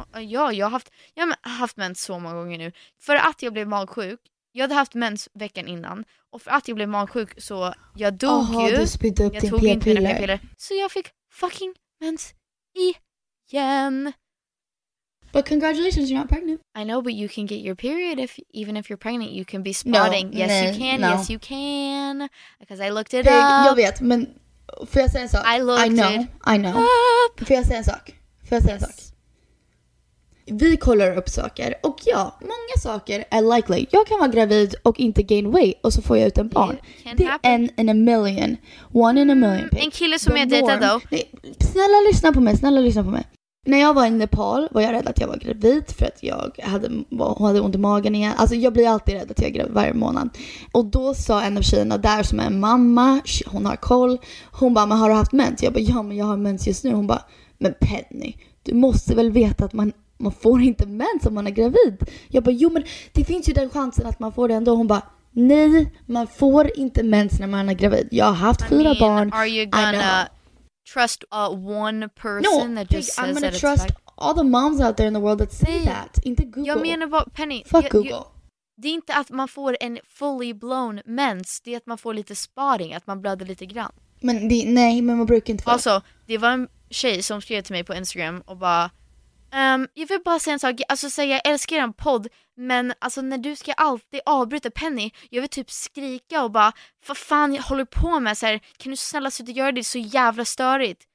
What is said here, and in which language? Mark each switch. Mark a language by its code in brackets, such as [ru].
[sv] Jag har haft mens så många gånger nu. För att jag blev magsjuk. Jag hade haft mens veckan innan. Och för att jag blev magsjuk så jag dog. Aha, ju. Du spydde upp jag din p-piller. Så jag fick fucking mens igen. [en] But congratulations, you're not pregnant. I know, but you can get your period even if you're pregnant. You can be spotting. No, yes, you can. No. Yes, you can. Because I looked it up. [sv] Jag vet, men får jag säga en sak? [en] I know. [sv] Får jag säga en sak? Vi kollar upp saker. Och ja, många saker är likely. Jag kan vara gravid och inte [en] gain weight. [sv] Och så får jag ut en barn. Det är en [en] in a million. One in a million. [sv] En kille som jag dejtar då. Snälla lyssna på mig. När jag var i Nepal var jag rädd att jag var gravid för att jag hade ont i magen igen. Alltså jag blir alltid rädd att jag är gravid varje månad. Och då sa en av tjejerna där som är en mamma, hon har koll. Hon bara, men har du haft mens? Jag bara, ja men jag har mens just nu. Hon bara, men Penny, du måste väl veta att man får inte mens om man är gravid. Jag bara, jo men det finns ju den chansen att man får det ändå. Hon bara, nej, man får inte mens när man är gravid. Jag har haft 4 barn. [en] Are you gonna trust one person that just says that I'm gonna trust all the moms out there in the world that say that. [sv] Inte Google. Jag menar bara, Penny. [en] Fuck Google. [sv] Det är inte att man får en [en] fully blown [sv] mens. Det är att man får lite sparring. Att man blöder lite grann. Men det, nej, men man brukar inte få. Alltså, det var en tjej som skrev till mig på Instagram och bara, jag vill bara säga en sak, alltså säga jag älskar en podd, men alltså när du ska alltid avbryta Penny, jag vill typ skrika och bara, vad fan jag håller på med, så här, kan du snälla sluta göra det så jävla störigt?